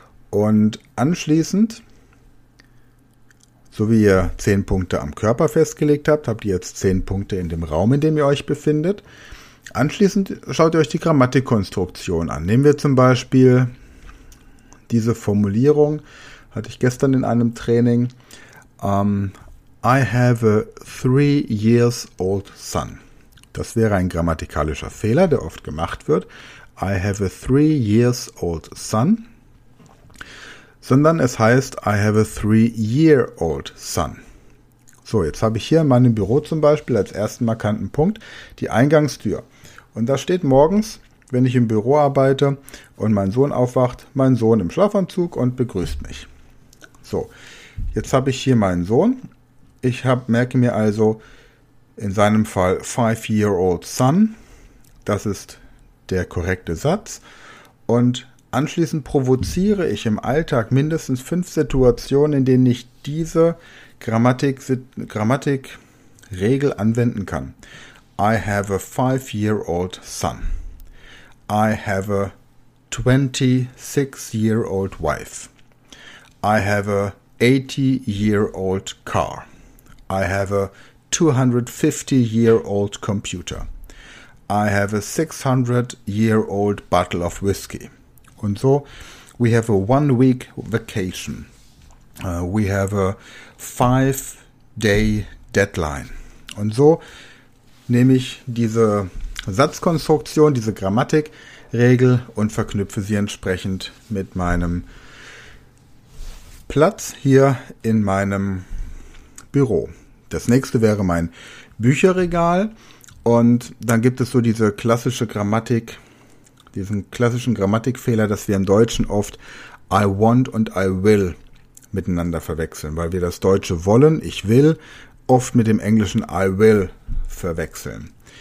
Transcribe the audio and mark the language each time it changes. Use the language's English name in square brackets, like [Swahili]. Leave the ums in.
[German] Und anschließend, so wie ihr zehn Punkte am Körper festgelegt habt, habt ihr jetzt zehn Punkte in dem Raum, in dem ihr euch befindet. Anschließend schaut ihr euch die Grammatikkonstruktion an. Nehmen wir zum Beispiel diese Formulierung, hatte ich gestern in einem Training. [English] Um, I have a three years old son. [German] Das wäre ein grammatikalischer Fehler, der oft gemacht wird. [English] I have a three years old son. [German] Sondern es heißt [English] I have a three year old son. [German] So, jetzt habe ich hier in meinem Büro zum Beispiel als ersten markanten Punkt die Eingangstür. Und da steht morgens wenn ich im Büro arbeite und mein Sohn aufwacht, mein Sohn im Schlafanzug und begrüßt mich. So, jetzt habe ich hier meinen Sohn. Ich hab, merke mir also in seinem Fall [English] Five-Year-Old Son. [German] Das ist der korrekte Satz. Und anschließend provoziere ich im Alltag mindestens fünf Situationen, in denen ich diese Grammatik, Grammatikregel anwenden kann. [English] I have a five-year-old son. I have a 26 year old wife. I have a 80 year old car. I have a 250 year old computer. I have a 600 year old bottle of whiskey. And so we have a one week vacation. Uh, we have a five Day Deadline. [German] Und so nehme ich diese Satzkonstruktion, diese Grammatikregel und verknüpfe sie entsprechend mit meinem Platz hier in meinem Büro. Das nächste wäre mein Bücherregal und dann gibt es so diese klassische Grammatik, diesen klassischen Grammatikfehler, dass wir im Deutschen oft I want und I will miteinander verwechseln, weil wir das Deutsche wollen, ich will, oft mit dem englischen I will verwechseln.